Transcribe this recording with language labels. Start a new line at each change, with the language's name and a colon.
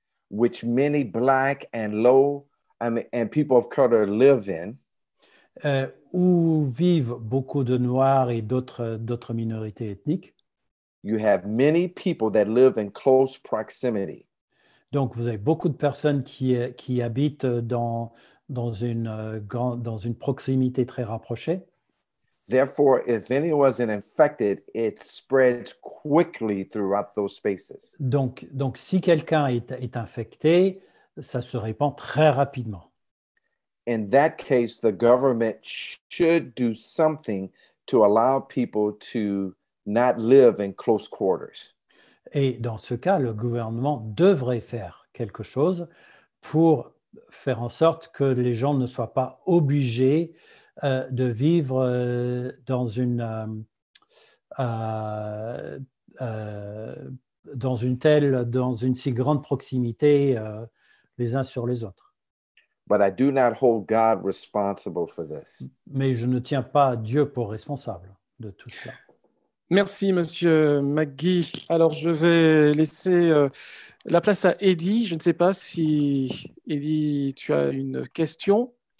English: Which many black and low, I mean, and people of color live in.
French: Où vivent beaucoup de noirs et d'autres minorités ethniques.
English: You have many people that live in close proximity.
French: Donc, vous avez beaucoup de personnes qui habitent dans une proximité très rapprochée.
English: Therefore, if anyone was infected, it spread quickly throughout those spaces.
French: Donc, si quelqu'un est infecté, ça se répand très rapidement.
English: In that case, the government should do something to allow people to not live in close quarters.
French: Et dans ce cas, le gouvernement devrait faire quelque chose pour faire en sorte que les gens ne soient pas obligés de vivre dans une si grande proximité les uns sur les autres.
English: But I do not hold God responsible for this.
French: Mais je ne tiens pas Dieu pour responsable de tout cela. Merci, Monsieur McGee. Alors, je vais laisser la place à Eddie. Je ne sais pas si, Eddie, tu as une question.